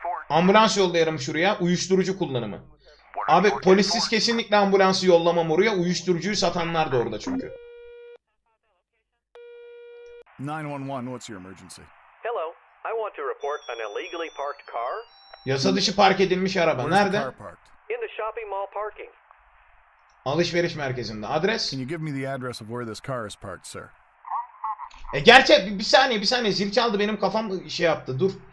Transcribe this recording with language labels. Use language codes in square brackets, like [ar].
[tr] Ambulans yollayalım şuraya. Uyuşturucu kullanımı. Abi polissiz kesinlikle ambulansı yollamam oraya. Uyuşturucuyu satanlar da orada çünkü. [en] 911, what's your emergency? Hello, I want to report an illegally parked car. [tr] Yasa dışı park edilmiş araba. Nerede? [en] In the shopping mall parking. [tr] Alışveriş merkezinde. Adres? [en] Can you give me the address of where this car is parked, sir? [tr] Gerçi bir saniye. Zil çaldı benim kafam şey yaptı. Dur.